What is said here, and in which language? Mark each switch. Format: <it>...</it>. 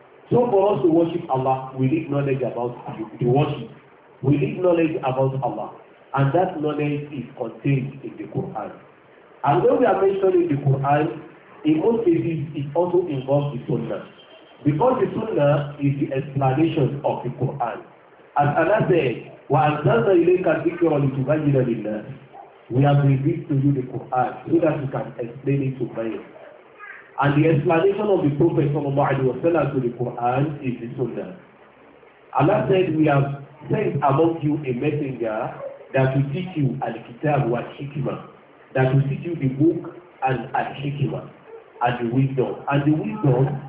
<en>So for us to worship Allah, we need knowledge about the worship. We need knowledge about Allah. And that knowledge is contained in the Quran. And when we are mentioning the Quran, in most cases, it also involves the Sunnah. Because the Sunnah is the explanation of the Quran. As Allah said,</en> <ar>وَأَنْزَلْنَا إِلَيْكَ الذِّكْرَ لِتُبَيِّنَ لِلنَّاسِ.</ar> <en>We have revealed to you the Quran so that you can explain it to men. And the explanation of the Prophet sallallahu alaihi wasallam to the Quran is the Sunnah. Allah said, we have sent among you a messenger that will teach you al-kitab wa al-hikmah, that will teach you the book and al-hikmah and the wisdom. And the wisdom</en>